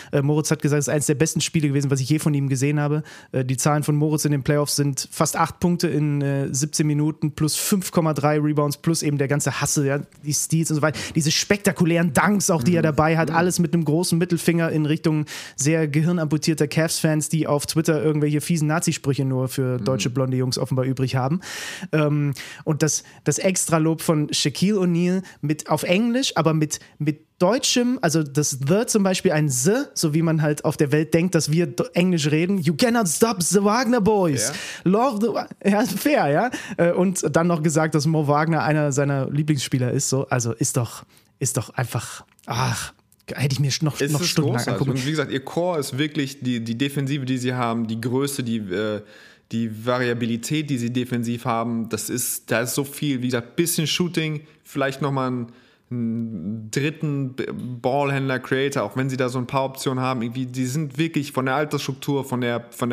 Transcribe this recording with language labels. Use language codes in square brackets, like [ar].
[de] Moritz hat gesagt, es ist eines der besten Spiele gewesen, was ich je von ihm gesehen habe. Die Zahlen von Moritz in den Playoffs sind fast 8 Punkte in 17 Minuten, plus 5,3 Rebounds, plus eben der ganze Hustle, ja, die Steals und so weiter, diese spektakulären Dunks auch, die er dabei hat, alles mit einem großen Mittelfinger in Richtung sehr gehirnamputierter Cavs-Fans, die auf Twitter irgendwelche fiesen Nazi-Sprüche nur für deutsche blonde Jungs offenbar übrig haben. Und das Extralob von Shaquille O'Neal mit auf Englisch, aber mit Deutschem, also das The zum Beispiel, ein The, so wie man halt auf der Welt denkt, dass wir Englisch reden. [en] You cannot stop the Wagner Boys. Yeah. Love the, ja, fair, ja. [de] Und dann noch gesagt, dass Mo Wagner einer seiner Lieblingsspieler ist, so. Also ist doch einfach, ach, hätte ich mir noch stundenlang angucken. Und wie gesagt, ihr Core ist wirklich die Defensive, die sie haben, die Größe, die Variabilität, die sie defensiv haben, da ist so viel, wie gesagt, bisschen Shooting, vielleicht nochmal einen dritten Ballhändler, Creator, auch wenn sie da so ein paar Optionen haben, irgendwie, die sind wirklich von der Altersstruktur, von der